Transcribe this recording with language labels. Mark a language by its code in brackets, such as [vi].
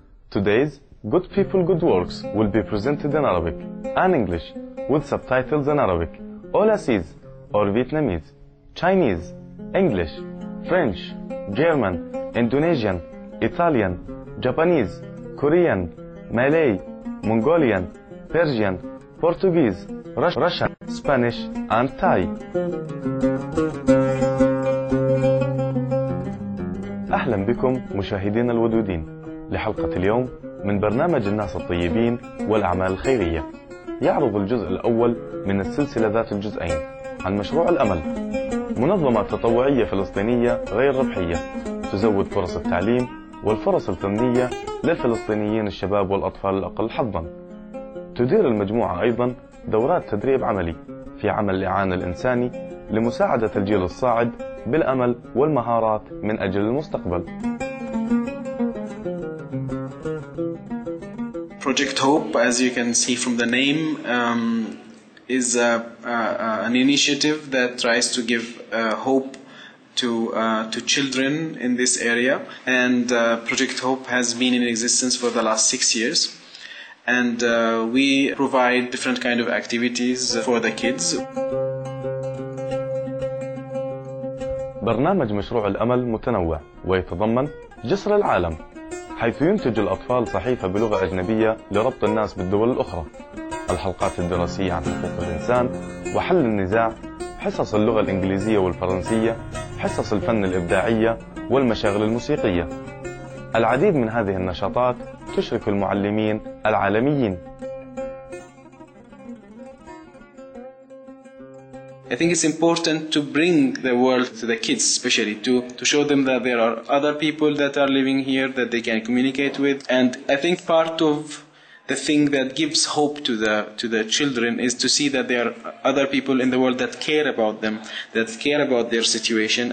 [en] Today's Good People, Good Works will be presented in Arabic and English with subtitles in Arabic, Olasiz or Vietnamese, Chinese, English, French, German, Indonesian, Italian, Japanese, Korean, Malay, Mongolian, Persian, Portuguese, Russian, Spanish, and Thai. [ar] أهلا بكم مشاهدين الودودين لحلقة اليوم من برنامج الناس الطيبين والأعمال الخيرية. يعرض الجزء الأول من السلسلة ذات الجزئين عن مشروع الأمل، منظمة تطوعية فلسطينية غير ربحية تزود فرص التعليم والفرص الفنية للفلسطينيين الشباب والأطفال الأقل حظا. تدير المجموعة أيضا دورات تدريب عملي في عمل الإعانة الإنساني لمساعدة الجيل الصاعد بالأمل والمهارات من أجل المستقبل. [en] Project Hope, as you can see from the name, is an initiative that tries to give hope to children in this area. And Project Hope has been in existence for the last 6 years. And we provide different kind of activities for the kids. [ar] برنامج مشروع الأمل متنوع ويتضمن جسر العالم، حيث ينتج الأطفال صحيفة بلغة أجنبية لربط الناس بالدول الأخرى، الحلقات الدراسية عن حقوق الإنسان وحل النزاع، حصص اللغة الإنجليزية والفرنسية، حصص الفن الإبداعية والمشاغل الموسيقية. العديد من هذه النشاطات تشرك المعلمين العالميين. [en] I think it's important to bring the world to the kids, especially to show them that there are other people that are living here that they can communicate with. And I think part of the thing that gives hope to the children is to see that there are other people in the world that care about them, that care about their situation.